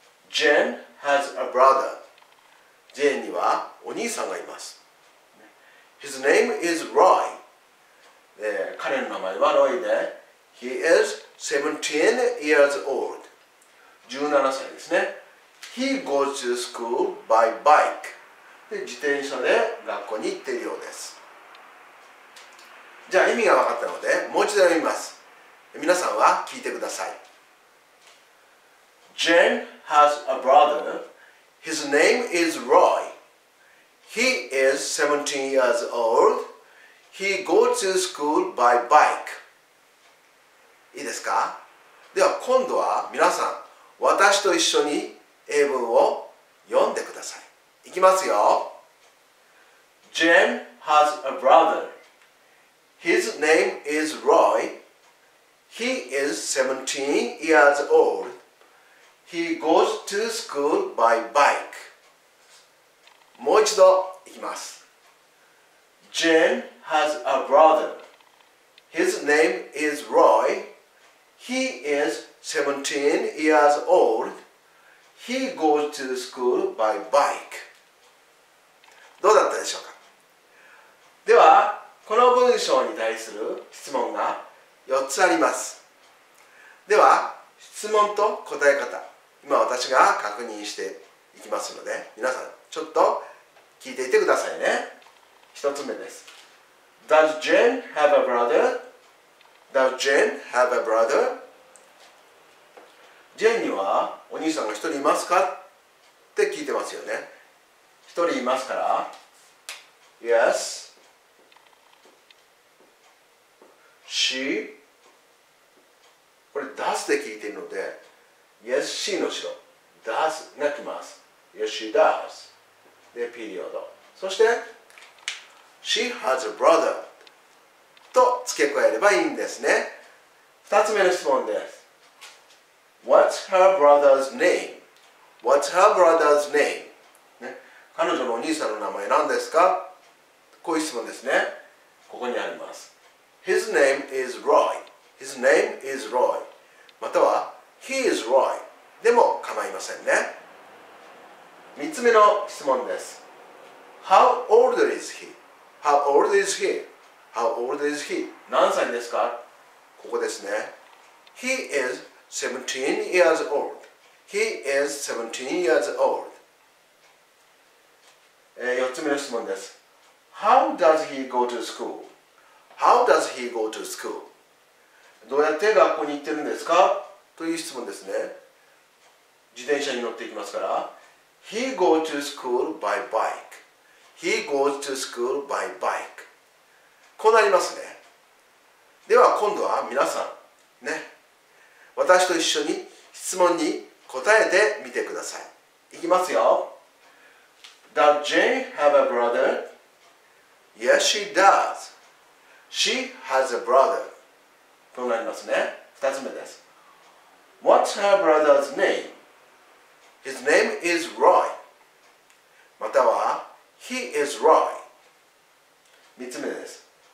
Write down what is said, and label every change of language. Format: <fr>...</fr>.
<en>Jane has a brother.</en> <ja>Jane にはお兄さんがいます。</ja> <en>His name is Roy.</en> <ja>彼の名前はロイで、</ja> <en>He is 17 years old.</en> <ja>17歳ですね。</ja> <en>He goes to school by bike.</en> <ja>で、自転車で学校に行っているようです。じゃあ意味が分かったので、もう一度読みます。皆さんは聞いてください。</ja> <en>Jane has a brother. His name is Roy. He is 17 years old. He goes to school by bike.</en> <ja>いいですか？では今度は皆さん、私と一緒に英文を読んでください。いきますよ。</ja> <en>Jane has a brother. His name is Roy. He is 17 years old. He goes to school by bike.</en> <ja>もう一度いきます。</ja> <en>Jane has a brother. His name is Roy. He is 17 years old. He goes to school by bike.</en> <ja>どうだったでしょうか。では、この文章に対する質問が4つあります。では、質問と答え方、今私が確認していきますので、皆さんちょっと聞いていてくださいね。 1つ目です。</ja> <en>Does Jane have a brother? Does Jane have a brother?</en> <ja>ジェーンにはお兄さんが一人いますかって聞いてますよね。一人いますから</ja> <en>Yes She、</en> <ja>これ Does で聞いているので Yes She の後ろ Does が来ます。</ja> <en>Yes she does で、ピリオド、</en> <ja>そして</ja> <en>She has a brother</en> <ja>と付け加えればいいんですね。二つ目の質問です。</ja> <en>What's her brother's name? What's her brother's name?、</en> <ja>ね、彼女のお兄さんの名前何ですか？こういう質問ですね。ここにあります。</ja> <en>His name is Roy. His name is Roy. または He is Roy.</en> <ja>でも構いませんね。三つ目の質問です。</ja> <en>How old is he? How old is he? How old is he?</en> <ja>何歳ですか？ここですね。</ja> <en>He is 17 years old. He is 17 years old.</en> <ja>4つ目の質問です。</ja> <en>How does he go to school? How does he go to school?</en> <ja>どうやって学校に行ってるんですか？という質問ですね。自転車に乗っていきますから。</ja> <en>He goes to school by bike. He goes to school by bike.</en> <ja>こうなりますね。では今度は皆さん、ね。私と一緒に質問に答えてみてください。いきますよ。</ja> <en>Does Jane have a brother? Yes, she does. She has a brother.</en> <ja>となりますね。二つ目です。</ja> <en>What's her brother's name? His name is Roy. または、He is Roy.</en> <ja>三つ目です。</ja>